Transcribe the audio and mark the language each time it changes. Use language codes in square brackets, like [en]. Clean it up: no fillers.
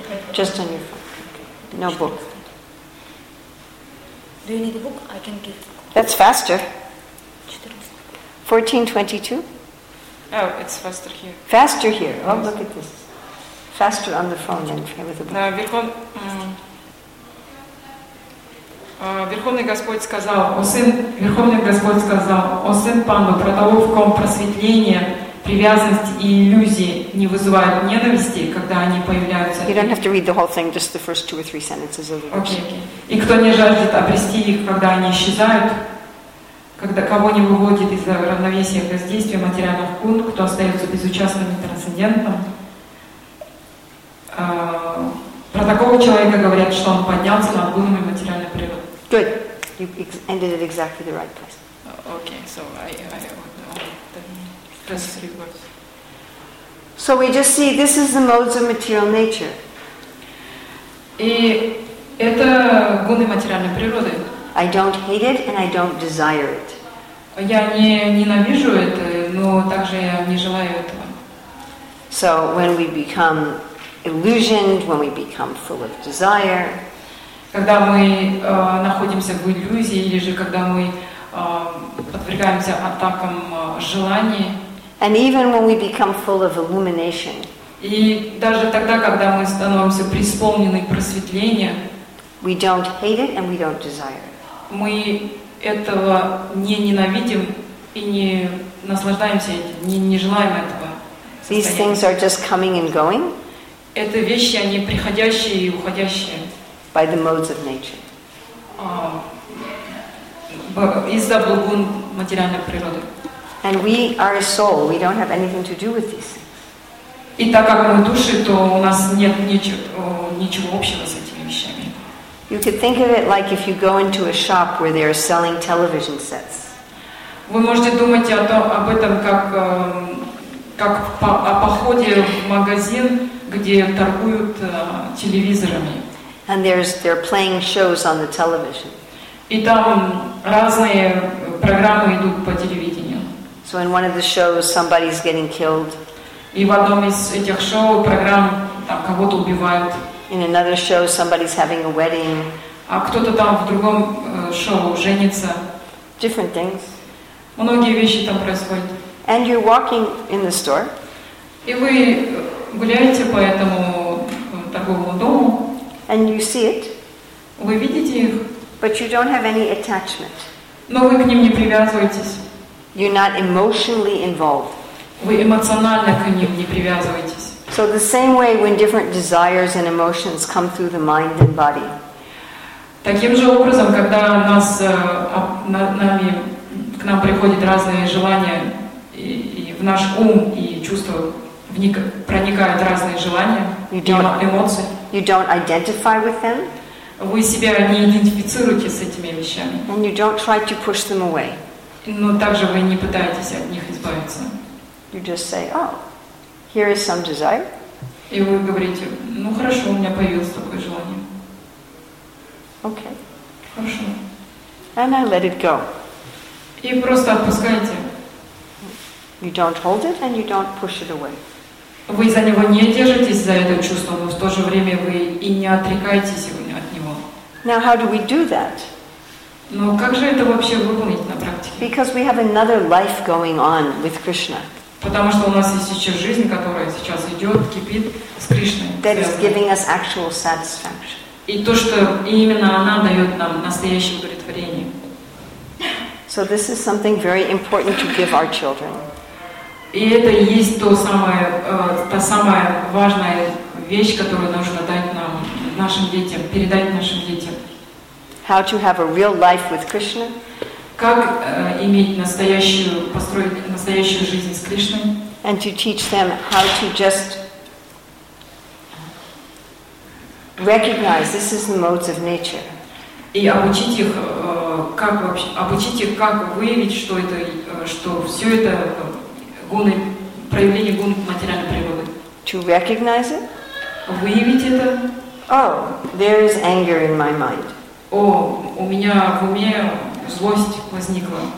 [en] Just on your phone. No book. Do you need a book? I can give. That's faster. 14:22? Oh, it's faster here. Faster here. Oh, look at this. Faster on the phone than with a book. No, because... [ru] Верховный Господь сказал, о сын, Верховный Господь сказал, о сын Панду, про того, в ком просветление, привязанность и иллюзии не вызывают ненависти, когда они появляются. [en] You don't have to read the whole thing, just the first two or three sentences of the verse. Okay. [ru] И кто не жаждет обрести их, когда они исчезают, когда кого не выводит из равновесия воздействия материальных кун, кто остается безучастным и трансцендентным, про такого человека говорят, что он поднялся над кунами материальной природы. [en] Good. You ended at exactly the right place. Okay, so I So we just see this is the modes of material nature. [ru] И это гуны материальной природы. [en] I don't hate it and I don't desire it. [ru] Я не ненавижу это, но также я не желаю этого. [en] So when we become illusioned, when we become full of desire, [ru] когда мы находимся в иллюзии или же когда мы подвергаемся атакам желаний. [en] And even when we become full of illumination. [ru] И даже тогда, когда мы становимся преисполнены просветления. [en] We don't hate it and we don't desire. [ru] Мы этого не ненавидим и не наслаждаемся этим, не желаем этого. [en] These things are just coming and going. [ru] Это вещи, они приходящие и уходящие. [en] By the modes of nature. [ru] Из-за благун материальной природы. [en] And we are a soul. We don't have anything to do with this. [ru] И так как мы души, то у нас нет ничего общего с этими вещами. [en] You could think of it like if you go into a shop where they are selling television sets. [ru] Вы можете думать об этом как о походе в магазин, где торгуют телевизорами. [en] And they're playing shows on the television. [ru] И там разные программы идут по телевидению. [en] So in one of the shows, somebody's getting killed. [ru] И в одном из этих шоу программ там кого-то убивают. [en] In another show, somebody's having a wedding. [ru] А кто-то там в другом шоу женится. [en] Different things. [ru] Многие вещи там происходят. [en] And you're walking in the store. [ru] И вы гуляете по этому торговому дому. [en] And you see it. [ru] Вы видите их. [en] But you don't have any attachment. [ru] Но вы к ним не привязываетесь. [en] You're not emotionally involved. [ru] Вы эмоционально к ним не привязываетесь. [en] So the same way when different desires and emotions come through the mind and body. [ru] Таким же образом, когда к нам приходят разные желания и в наш ум и чувства проникают разные желания, эмоции. [en] You don't identify with them. [ru] Вы себя не идентифицируете с этими вещами. [en] And you don't try to push them away. [ru] Но также вы не пытаетесь от них избавиться. [en] You just say, oh, here is some desire. [ru] И вы говорите, ну хорошо, у меня появилось такое желание. [en] Okay. [ru] Хорошо. [en] And I let it go. [ru] И просто отпускаете. [en] You don't hold it and you don't push it away. [ru] Вы за него не держитесь, за это чувство, но в то же время вы и не отрекаетесь от него. [en] Now, how do we do that? [ru] Но как же это вообще выполнить на практике? [en] Because we have another life going on with Krishna. [ru] Потому что у нас есть еще жизнь, которая сейчас идет, кипит с Кришной. [en] That is giving us actual satisfaction. [ru] И то, что именно она дает нам настоящее удовлетворение. [en] So this is something very important to give our children. [ru] И это и есть та самая важная вещь, которую нужно дать нам, нашим детям, передать нашим детям. [en] How to have a real life with Krishna? [ru] как иметь настоящую, построить настоящую жизнь с Кришной. [en] And to teach them how to just recognize this is the modes of nature. [ru] И обучить их, как вообще, обучить их, как выявить, что это, что все это гуны, проявление гун материальной природы. [en] To recognize it. [ru] Выявить это. [en] Oh, there is anger in my mind. [ru] О, у меня в уме злость возникла.